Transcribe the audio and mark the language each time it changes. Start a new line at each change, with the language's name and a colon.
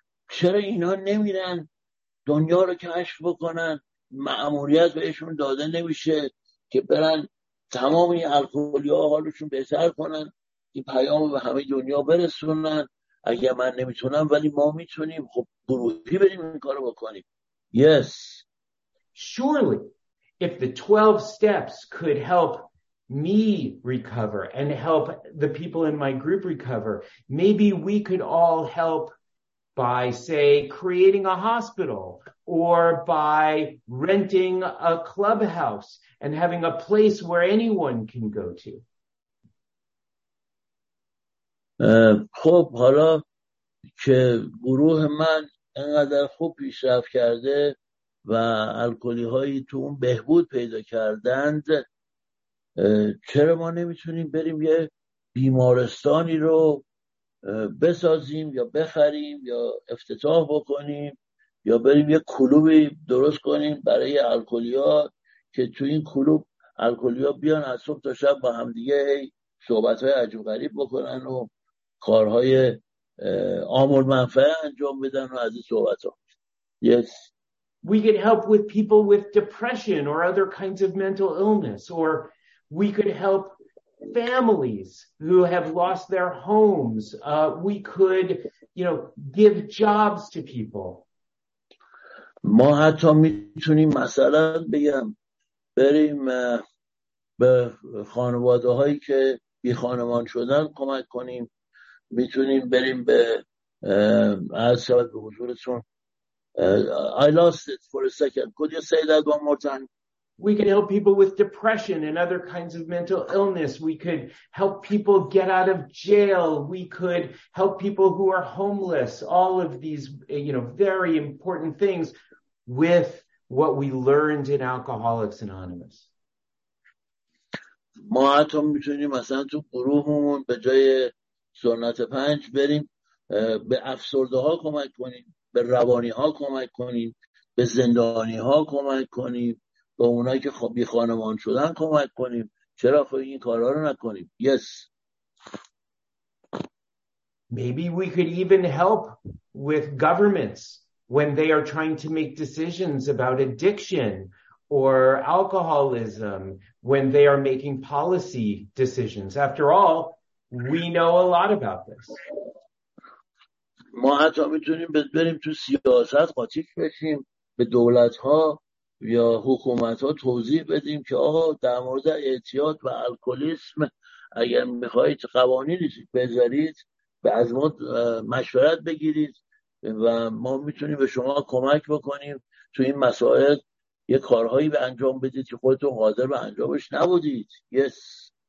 Persian: چرا اینا نمیرن دنیا رو کشف بکنن؟ مأموریت بهشون داده نمیشه که برن تمام این الکلی‌ها حالشون بهتر کنن این پیام رو به همه دنیا برسونن اگه من نمیتونم ولی ما میتونیم خب گروهی بریم این کارو بکنیم
English: yes surely if the 12 steps could help me recover and help the people in my group recover maybe we could all help by say creating a hospital or by renting a clubhouse and having a place where anyone can go to
Persian: خب حالا که گروه من انقدر خوب پیشرفت کرده و الکلی هایی تو اون بهبود پیدا کردند چرا ما نمیتونیم بریم یه بیمارستانی رو بسازیم یا بخریم یا افتتاح بکنیم یا بریم یه کلوبی درست کنیم برای الکلی ها که تو این کلوب الکلی ها بیان از صبح تا شب با همدیگه صحبت های عجب غریب بکنن و کارهای آمول منفعه انجام بدن و از این صحبت ها
English: yes. We could help with people with depression or other kinds of mental illness or we could help families who have lost their homes. We could, you know, give jobs to people.
Persian: ما حتی میتونیم مثلا بگم بریم به خانواده هایی که بی خانمان شدن کمک کنیم میتونیم بریم به از شبت به حضورتون
English: I lost it for a second. Could you say that one more time? We could help people with depression and other kinds of mental illness. We could help people get out of jail. We could help people who are homeless. All of these, you know, very important things with what we learned in Alcoholics Anonymous.
Persian: ما حتی میتونیم مثلا تو گروهمون به جای سنت پنج بریم به افسرده ها کمک کنیم. به روانی ها کمک کنیم. به زندانی ها کمک کنیم. به اونایی که بی خانمان شدن کمک کنیم چرا خود این کارها رو نکنیم
English: yes maybe we could even help with governments when they are trying to make decisions about addiction or alcoholism when they are making policy decisions after all we know a lot about this
Persian: ما حتی میتونیم بریم تو سیاست قاطیش بشیم به دولت ها یا حکومت ها توضیح بدیم که آقا در مورد اعتیاد و الکلیسم اگر میخواهید قوانینی بذارید به از ما مشورت بگیرید و ما میتونیم به شما کمک بکنیم تو این مسائل یه کارهایی به انجام بدید که خودتون قادر به انجامش نبودید
English: yes